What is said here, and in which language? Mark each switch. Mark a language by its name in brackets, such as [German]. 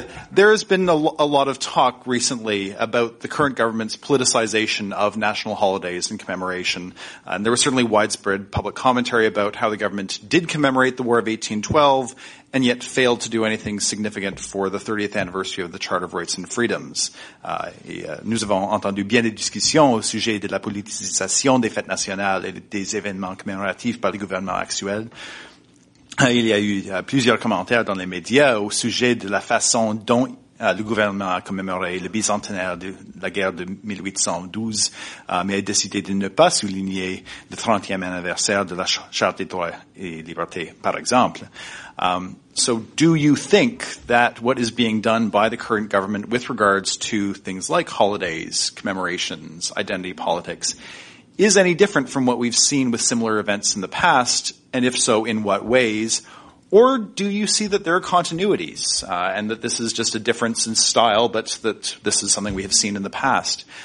[English] There has been a lot of talk recently about the current government's politicization of national holidays and commemoration. And there was certainly widespread public commentary about how the government did commemorate the War of 1812 and yet failed to do anything significant for the 30th anniversary of the Charter of Rights and Freedoms. [French] Nous avons entendu bien des discussions au sujet de la politicisation des fêtes nationales et des événements commémoratifs par le gouvernement actuel. Il y a eu plusieurs commentaires dans les médias au sujet de la façon dont Le gouvernement a commémoré le bicentenaire de la guerre de 1812, mais a décidé de ne pas souligner le 30e anniversaire de la Charte des droits et libertés, par exemple. [English] So do you think that what is being done by the current government with regards to things like holidays, commemorations, identity politics, is any different from what we've seen with similar events in the past, and if so, in what ways? Or do you see that there are continuities, and that this is just a difference in style, but that this is something we have seen in the past?